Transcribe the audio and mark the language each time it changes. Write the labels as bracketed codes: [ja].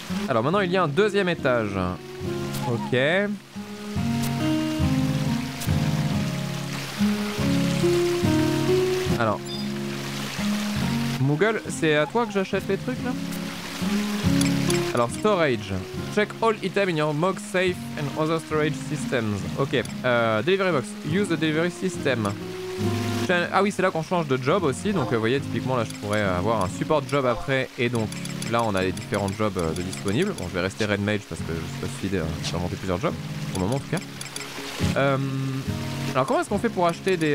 [fr] Alors, maintenant, il y a un deuxième étage. Ok. Alors. Moogle, c'est à toi que j'achète les trucs là? Alors, storage. [en] Check all items in your Mog safe and other storage systems. Ok. Delivery box. Use the delivery system. [fr] Ah oui, c'est là qu'on change de job aussi. Donc, vous voyez, typiquement là, je pourrais avoir un support job après. Et donc, là, on a les différents jobs de disponibles. Bon, je vais rester Red Mage parce que je suis pas suffisant d'inventer plusieurs jobs. Pour le moment, en tout cas. Alors, comment est-ce qu'on fait pour acheter des.